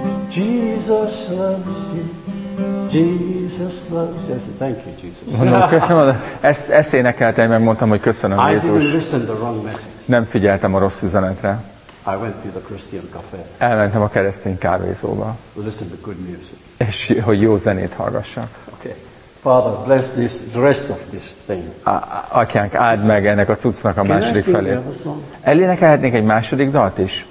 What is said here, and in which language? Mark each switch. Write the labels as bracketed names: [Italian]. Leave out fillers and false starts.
[English] Jesus loves you. Jesus loves you. Thank you, Jesus. [Hungarian] Ezt énekeltem, meg mondtam, hogy köszönöm, Jézus. [English] I didn't listen the wrong message. [Hungarian] Nem figyeltem a rossz üzenetre. [English] I went to the Christian cafe. [Hungarian] Elmentem a keresztény kávézóba. [English] Listen to good music. [Hungarian] És hogy jó zenét hallgassak. [English] Okay. Father, bless this the rest of this thing. [Hungarian] Atyánk, áld meg ennek a cuccnak a [English] Can [Hungarian] második felé. Elénekelhetnék egy második dalt is?